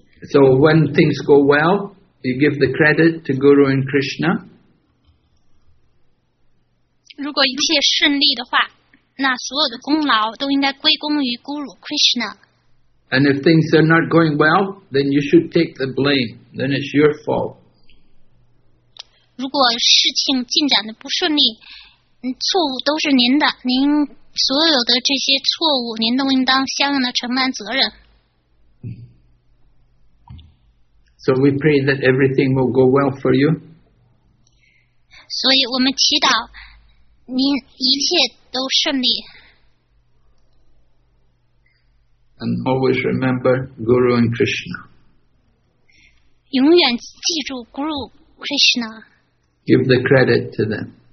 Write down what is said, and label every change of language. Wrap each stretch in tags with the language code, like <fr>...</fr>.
<en>So when things go well, you give the credit to Guru and Krishna.</en> <zh>如果一切顺利的话，那所有的功劳都应该归功于 Guru Krishna.</zh> <en>And if things are not going well, then you should take the blame. Then it's your fault.</en> <zh>如果事情进展的不顺利，错误都是您的，您所有的这些错误，您都应当相应的承担责任。</zh> <en>So we pray that everything will go well for you.</en> <zh>所以我们祈祷您一切都顺利。</zh> <en>And always remember Guru and Krishna.</en> <zh>永远记住 Guru Krishna.</zh> <en>Give the credit to them.</en>